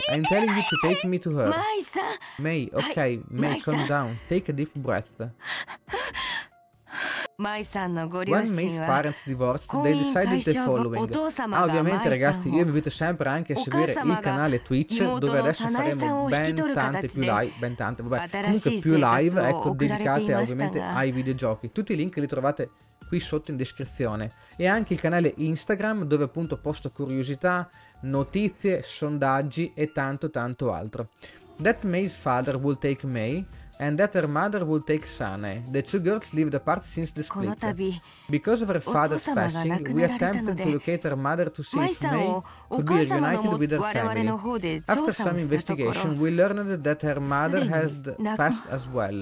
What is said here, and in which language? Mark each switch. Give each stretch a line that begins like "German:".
English: I'm telling you to take me to her. Mei, okay. Mei, calm down. Take a deep breath. When Mei's parents divorced, they decided the following.
Italian: Ah, ovviamente ragazzi, io vi invito sempre anche a seguire il canale Twitch, dove adesso faremo più live, ecco, dedicate ovviamente ai videogiochi. Tutti i link li trovate qui sotto in descrizione. E anche il canale Instagram, dove appunto posto curiosità, notizie, sondaggi e tanto tanto altro.
English: That Mei's father will take Mei, and that her mother will take Sanae. The two girls lived apart since the split. Because of her father's passing, we attempted to locate her mother to see if Mei could be reunited with her family. After some investigation, we learned that her mother had passed as well.